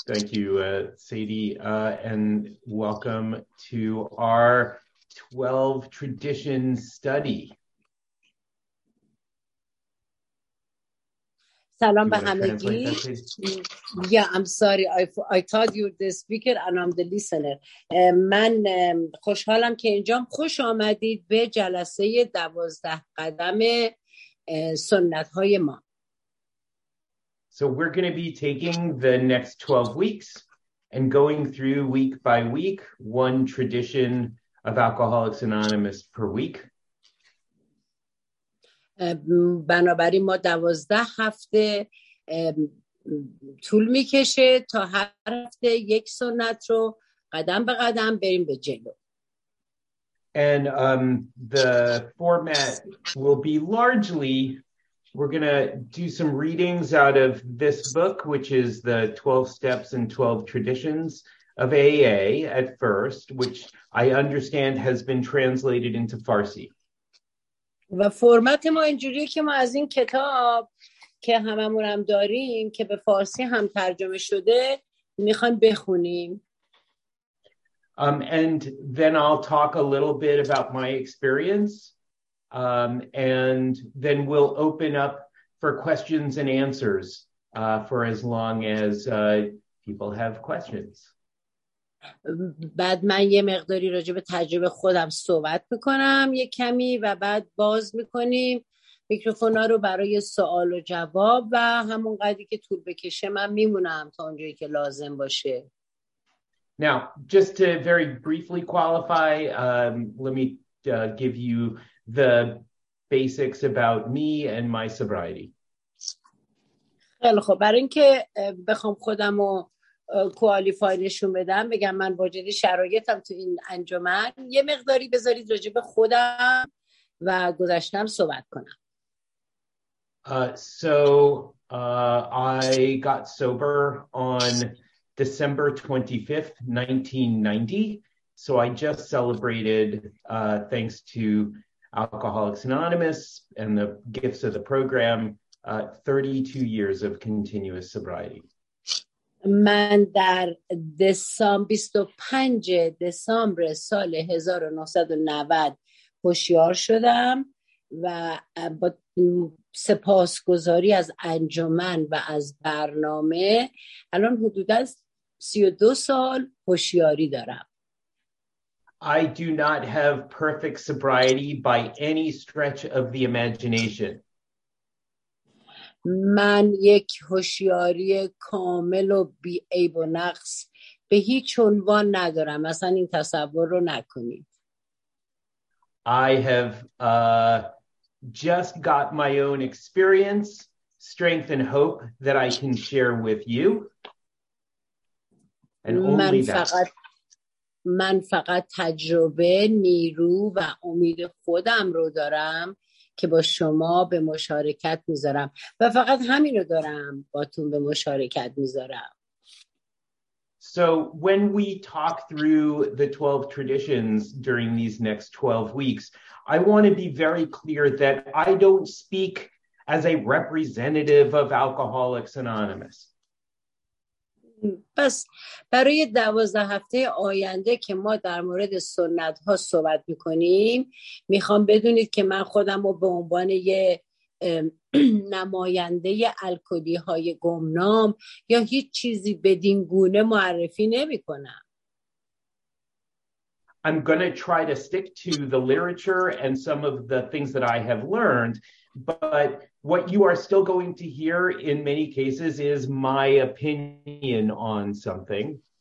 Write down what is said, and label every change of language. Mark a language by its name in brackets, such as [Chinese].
[English] Thank you, Sadie, and welcome to our 12 traditions study. [Persian] Salam ba hamegi. [English] Yeah, I'm sorry. I thought you were the speaker and I'm the listener. [Persian] Man, خوشحالم که اینجام. خوش آمدید به جلسه 12 قدم سنت های ما. [English] So we're going to be taking the next 12 weeks and going through week by week one tradition of Alcoholics Anonymous per week. [Persian] بنابراین ما 12 هفته طول میکشه تا هر هفته یک سنت رو قدم به قدم بریم به جلو. [English] And the format will be largely, we're going to do some readings out of this book, which is the 12 steps and 12 traditions of AA at first, which I understand has been translated into Farsi. [Persian] و فرمت ما اینجوریه که ما از این کتاب که هممون هم داریم که به فارسی هم ترجمه شده میخوایم بخونیم. [English] And then I'll talk a little bit about my experience. And then we'll open up for questions and answers for as long as people have questions. [Persian] بعد من یه مقداری راجع به تجربه خودم صحبت میکنم یه کمی و بعد باز میکنیم میکروفونا رو برای سوال و جواب و همون قدری که طول بکشه من میمونم تا اونجایی که لازم باشه. [English] Now, just to very briefly qualify, let me give you the basics about me and my sobriety. [Persian] خیلی خوب، برای اینکه بخوام خودم رو کوالیفای نشون بدم بگم من واجد شرایطم تو این انجمن، یه مقداری بذارید راجع به خودم و گذشتم صحبت کنم. [English] I got sober on December 25th, 1990. So I just celebrated thanks to Alcoholics Anonymous and the gifts of the program 32 years of continuous sobriety. [Persian] من در دسامبر 25 دسامبر سال 1990 هوشیار شدم و با سپاسگزاری از انجمن و از برنامه الان حدود از 32 سال هوشیاری دارم. [English] I do not have perfect sobriety by any stretch of the imagination. [Persian] من یک هوشیاری کامل و بی عیب و نقص به هیچ عنوان ندارم، مثلا این تصور رو نکنید. [English] I have just got my own experience, strength and hope that I can share with you. And only [Persian] من فقط تجربه، نیرو و امید خودم رو دارم که با شما به مشارکت میذارم و فقط همین رو دارم باتون به مشارکت میذارم. [English] So when we talk through the 12 traditions during these next 12 weeks, I want to be very clear that I don't speak as a representative of Alcoholics Anonymous. [Persian] پس برای 12 هفته آینده که ما در مورد سنت ها صحبت میکنیم میخوام بدونید که من خودم رو به عنوان یه نماینده الکلی های گمنام یا هیچ چیزی بدین گونه معرفی نمیکنم. [English] I'm going to try to stick to the literature and some of the things that I have learned, but what you are still going to hear in many cases is my opinion on something.